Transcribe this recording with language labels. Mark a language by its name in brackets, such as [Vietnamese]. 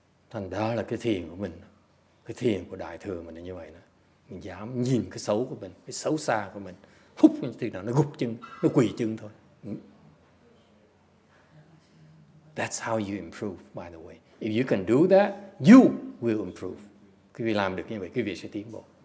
[Vietnamese] Thành đó là cái thiền của mình, cái thiền của đại thừa mình là như vậy đó. Mình dám nhìn cái xấu của mình, cái xấu xa của mình, húc thì nó gục chân, nó quỳ chân thôi. [English] That's how you improve, by the way. If you can do that, you will improve. [Vietnamese] Quý vị làm được như vậy, quý vị sẽ tiến bộ.